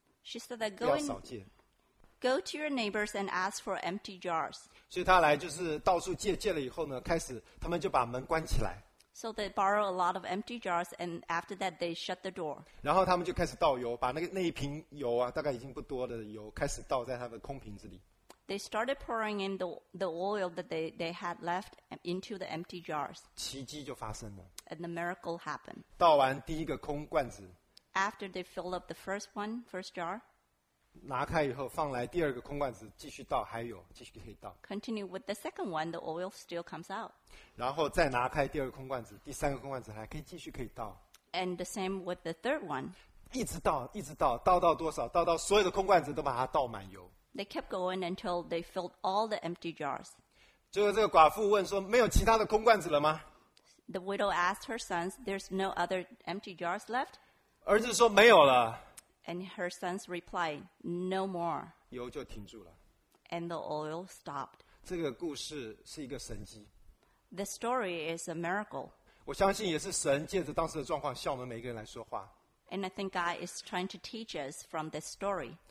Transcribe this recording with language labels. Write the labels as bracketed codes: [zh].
[en] She said that go to your neighbors and ask for empty jars. [zh] 所以他来就是到处借了以后呢，开始他们就把门关起来。 [en] So they borrow a lot of empty jars and after that they shut the door. [zh] 然后他们就开始倒油，把那一瓶油啊，大概已经不多的油开始倒在他的空瓶子里。 [en] They started pouring in the oil that they had left into the empty jars. [zh] 奇迹就发生了。 [en] And the miracle happened. [zh] 倒完第一个空罐子。 [en] After they filled up the first jar. [zh] 拿开以后放来第二个空罐子，继续倒，还有继续可以倒。 [en] Continue with the second one, the oil still comes out. [zh] 然后再拿开第二个空罐子，第三个空罐子还可以继续可以倒。 [en] And the same with the third one. [zh] 一直倒，倒到多少？倒到所有的空罐子都把它倒满油。 [en] They kept going until they filled all the empty jars. [zh] 最后这个寡妇问说：“没有其他的空罐子了吗？” [en] The widow asked her sons, "There's no other empty jars left?" [zh] 儿子说：“没有了。” [en] And her sons replied, "No more." [zh] 油就停住了。 [en] And the oil stopped. [zh] 这个故事是一个神迹。 [en] The story is a miracle. [zh] 我相信也是神借着当时的状况向我们每一个人来说话。 [en] And I think God is trying to teach us from this story.